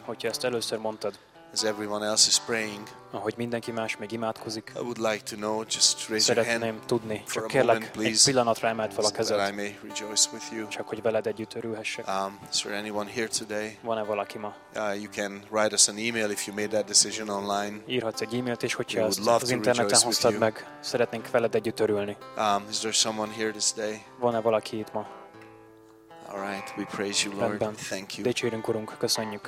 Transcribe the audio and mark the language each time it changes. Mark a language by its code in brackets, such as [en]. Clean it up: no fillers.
[hu] Hogyha ezt először mondtad. [en] As everyone else is praying. [hu] Ahogy mindenki más még imádkozik. [en] I would like to know. Just raise your hand. [hu] Szeretném tudni. Csak kérlek, [en] moment, please, [hu] egy pillanatra emeld fel a kezed. [en] That I may rejoice with you. [hu] Csak hogy veled együtt örülhessek. [en] Is there anyone here today? [hu] Van-e valaki ma? [en] You can write us an email if you made that decision online. [hu] Írhatsz egy e-mailt is, hogyha az interneten hoztad meg. Szeretnénk veled együtt örülni. [en] Is there someone here this day? [hu] Van-e valaki itt ma? [en] All right. We praise you, Lord. [hu] Rendben. [en] Thank you. [hu] Dicsérünk, Urunk. Köszönjük.